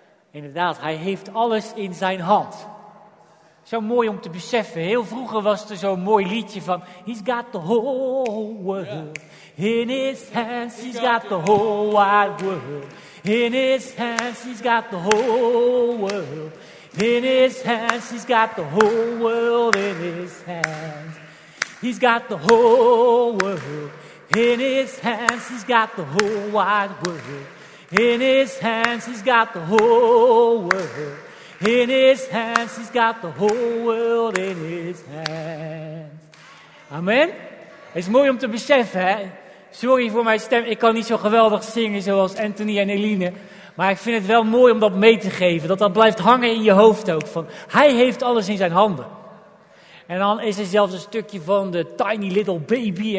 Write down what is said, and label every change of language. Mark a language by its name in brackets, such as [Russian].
[Dutch] Inderdaad, hij heeft alles in zijn hand. Zo mooi om te beseffen. Heel vroeger was er zo'n mooi liedje van... [English] He's got the whole world in his hands. He's got the whole wide world in his hands. He's got the whole world in his hands. He's got the whole world in his hands. He's got the whole world in his hands. He's got the whole wide world in his hands. He's got the whole world in his hands. He's got the whole world in his hands. Amen. [Dutch] Het is mooi om te beseffen, hè? Sorry voor mijn stem. Ik kan niet zo geweldig zingen zoals Anthony en Eline. Maar ik vind het wel mooi om dat mee te geven. Dat dat blijft hangen in je hoofd ook. Van, hij heeft alles in zijn handen. En dan is er zelfs een stukje van de [English] tiny little baby.